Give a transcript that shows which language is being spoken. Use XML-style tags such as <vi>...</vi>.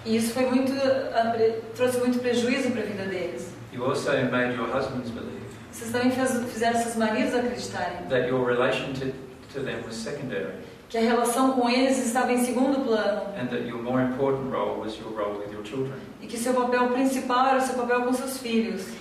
<pt>E isso foi muito trouxe muito prejuízo para a vida deles.</pt> <en>You also made your husbands believe.</en> <pt>Vocês também fizeram seus maridos acreditarem.</pt> <en>That your relationship to them was secondary.</en> <pt>que a relação com eles estava em segundo plano.</pt> <en>And that your more important role was your role with your children.</en> <pt>E que seu papel principal era seu papel com seus filhos.</pt>